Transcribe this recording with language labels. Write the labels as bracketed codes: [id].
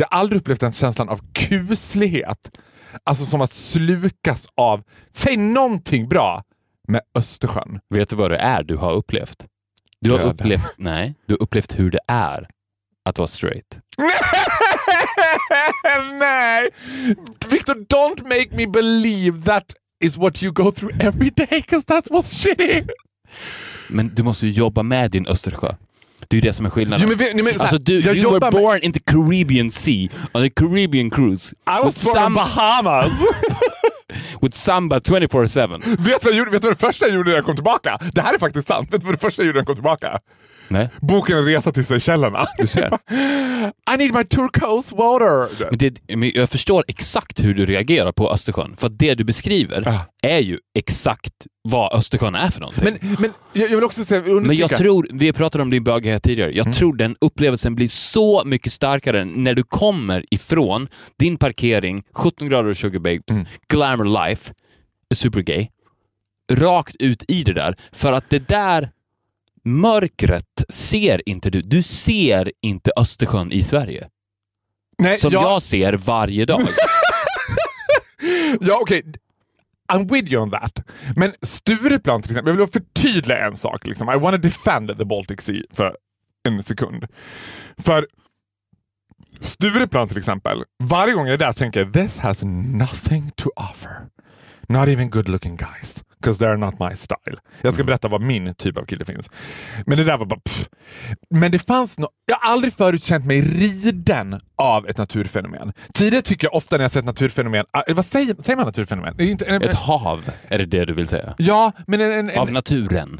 [sv] Jag har aldrig upplevt den känslan av kuslighet. Alltså som att slukas av, säg någonting bra med Östersjön. Vet du vad det är du har upplevt? Du har upplevt, nej, du har upplevt hur det är att vara straight. Nej! [en] Victor, don't make me believe that is what you go through every day, because that was shitty. [sv] Men du måste ju jobba med din Östersjö. Det är ju det som är skillnaden. Jo, men, såhär, alltså, [en] you were born in the Caribbean Sea on a Caribbean cruise. I was born in Bahamas. With Samba 24-7. [sv] Vet du vad det första jag gjorde när jag kom tillbaka? Det här är faktiskt sant. Vet du vad det första jag gjorde när jag kom tillbaka? Nej. Boken Resa till Seychellerna. Du ser. [en] I need my turquoise water. [sv] Men jag förstår exakt hur du reagerar på Östersjön. För det du beskriver är ju exakt vad Östersjön är för någonting. Men jag vill också säga, undersöka. Men jag tror, vi pratade om din böghet tidigare. Jag tror den upplevelsen blir så mycket starkare när du kommer ifrån din parkering, 17 grader och sugar babes, [en] glamour life, super gay, [sv] rakt ut i det där. För att det där mörkret ser inte du. Du ser inte Östersjön i Sverige. Nej, som jag ser varje dag. Ja, okej. [en] Okay. I'm with you on that. [sv] Men Stureplan till exempel, jag vill förtydliga en sak. Liksom. [en] I want to defend the Baltic Sea [sv] för en sekund. För Stureplan till exempel, varje gång jag är där tänker jag, [en] this has nothing to offer. Not even good looking guys. Because they're not my style. [sv] Jag ska berätta vad min typ av kille finns. Men det där var bara pff. Men det fanns något. Jag har aldrig förutkänt mig riden av ett naturfenomen. Tidigare tycker jag ofta när jag sett naturfenomen. Vad säger man naturfenomen? Ett hav, är det du vill säga? Ja, men av naturen.